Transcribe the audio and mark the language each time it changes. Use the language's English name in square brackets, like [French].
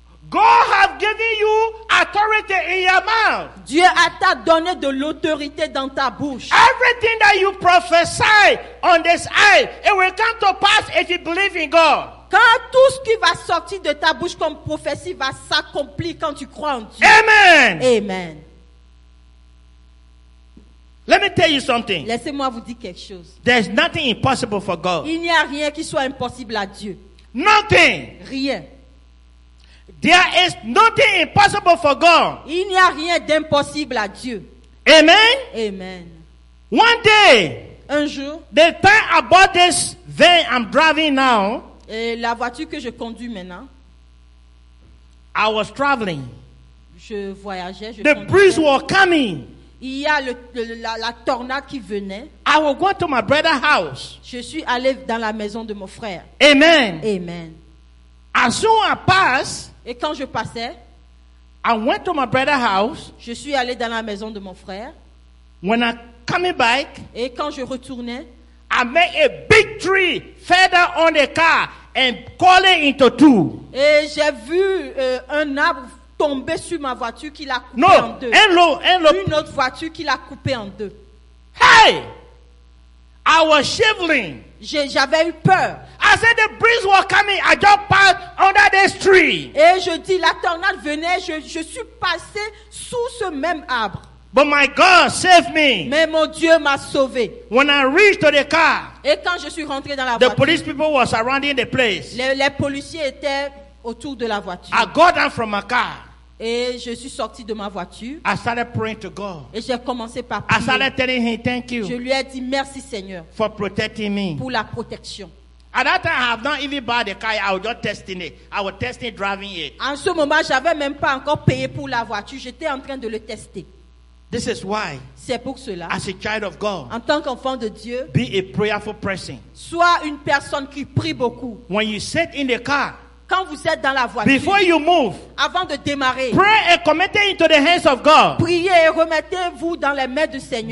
[English] God have given you authority in your mouth. [French] Dieu t'a donné de l'autorité dans ta bouche. [English] Everything that you prophesy on this earth, it will come to pass if you believe in God. [French] Quand tout ce qui va sortir de ta bouche comme prophétie va s'accomplir quand tu crois en Dieu. [English] Amen. Amen. Let me tell you something. [French] Laissez-moi vous dire quelque chose. [English] There's nothing impossible for God. [French] Il n'y a rien qui soit impossible à Dieu. [English] Nothing. [French] Rien. [English] There is nothing impossible for God. [French] Il n'y a rien d'impossible à Dieu. [English] Amen. Amen. One day. [French] Un jour. [English] The time I bought this van I'm driving now. [French] Et la voiture que je conduis maintenant. [English] I was traveling. [French] Je voyageais. [English] The breeze was coming. [French] Il y a la tornade qui venait. [English] I was going to my brother's house. [French] Je suis allé dans la maison de mon frère. [English] Amen. Amen. As soon as I pass. [French] Et quand je passais, [English] I went to my brother's house. [French] Je suis allé dans la maison de mon frère. [English] When I coming back, [French] et quand je retournais, [English] I made a big tree feather on the car and call it into two. [French] Et j'ai vu un arbre tomber sur ma voiture qui l'a coupé en deux. Une autre voiture qui l'a coupé en deux. [English] Hey, I was shivering. [French] J'avais eu peur. [English] I said the breeze was coming. I just passed under this tree. [French] Et je dis la tornade venait. Je suis passé sous ce même arbre. [English] But my God saved me. [French] Mais mon Dieu m'a sauvé. [English] When I reached to the car. [French] Et quand je suis rentré dans la voiture. [English] The police people were surrounding the place. [French] Les policiers étaient autour de la voiture. [English] I got down from my car. [French] Et je suis sorti de ma voiture. [English] I started praying to God. [French] Et j'ai commencé par prier. [English] I started telling him thank you. [French] Je lui ai dit merci Seigneur. [English] For protecting me. [French] Pour la protection. [English] At that time, I have not even bought the car. I was just testing it. I was testing driving it. [French] En ce moment, j'avais même pas encore payé pour la voiture. J'étais en train de le tester. [English] This is why. [French] C'est pour cela. [English] As a child of God. [French] En tant qu'enfant de Dieu. [English] Be a prayerful person. [French] Sois une personne qui prie beaucoup. [English] When you sit in the car. [French] Quand vous êtes dans la voiture, [English] before you move, [French] avant de démarrer, [English] pray and commit it into the hands of God. [French] Priez et remettez-vous dans les mains du Seigneur.